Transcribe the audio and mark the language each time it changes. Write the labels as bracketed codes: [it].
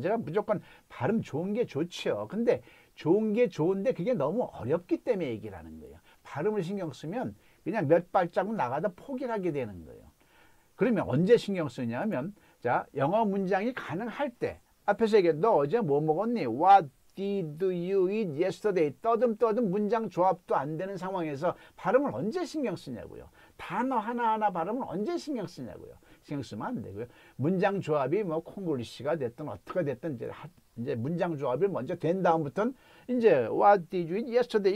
[ko] 제가 무조건 발음 좋은 게 좋지요. 근데 좋은 게 좋은데 그게 너무 어렵기 때문에 얘기를 하는 거예요. 발음을 신경 쓰면 그냥 몇 발자국 나가다 포기를 하게 되는 거예요. 그러면 언제 신경 쓰냐면 자, 영어 문장이 가능할 때 앞에서 얘기해 너 어제 뭐 먹었니? [en] What did you eat yesterday? [ko] 떠듬떠듬 문장 조합도 안 되는 상황에서 발음을 언제 신경 쓰냐고요. 단어 하나하나 발음을 언제 신경 쓰냐고요. 신경 쓰면 안 되고요. 문장 조합이 뭐 콩글리시가 됐든 어떻게 됐든 이제 문장 조합이 먼저 된 다음부터는 이제 [en] What did you eat yesterday?